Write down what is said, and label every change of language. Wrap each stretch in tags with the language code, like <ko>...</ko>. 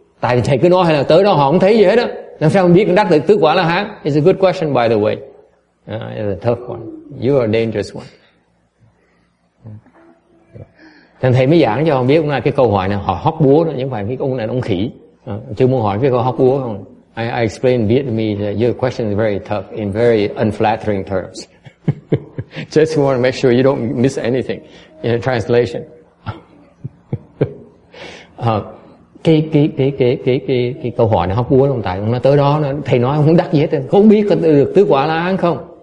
<vi>Tại vì thầy cứ nói hay là tới đó họ không thấy gì hết á. Làm sao mà biết đắc được tứ quả la hán?</vi> <en>It's a good question, by the way. It's a tough one. You are a dangerous one.</en> <vi>Thành thầy mới giảng cho ông biết hôm nay cái câu hỏi này họ hóc búa đó, những bạn biết ông này là ông khỉ. Chưa muốn hỏi cái câu hóc búa không?</vi> <en>I explain Vietnamese that your question is very tough in very unflattering terms. Just want to make sure you don't miss anything in a translation.</en> <vi>cái câu hỏi này hóc búa không? Tại ông nói tới đó thầy nói ông không đắc gì hết, không biết có được tứ quả la hán không?</vi>